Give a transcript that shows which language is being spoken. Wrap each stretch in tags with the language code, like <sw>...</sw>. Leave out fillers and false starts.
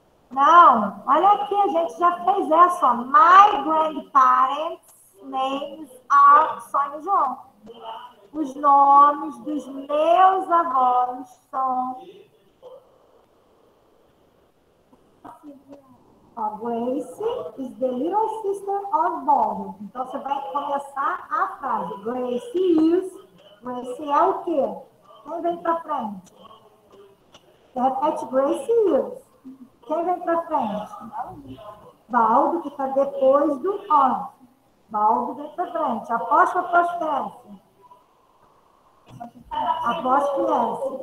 <pt>Não, olha aqui, a gente já fez essa, ó.</pt> <en>My grandparents' names are Sonia João.</en> <pt>Os nomes dos meus avós são...</pt> <en>A Grace is the little sister of Bob.</en> <pt>Então, você vai começar a frase.</pt> <en>Grace is...</en> <pt>Grace é o quê? Quem vem pra frente? Repete,</pt> <en>Grace is...</en> <pt>Quem vem para frente? Baldo, que está depois do homem. Baldo vem para frente. Aposto, aposto, aposto, aposto.</pt>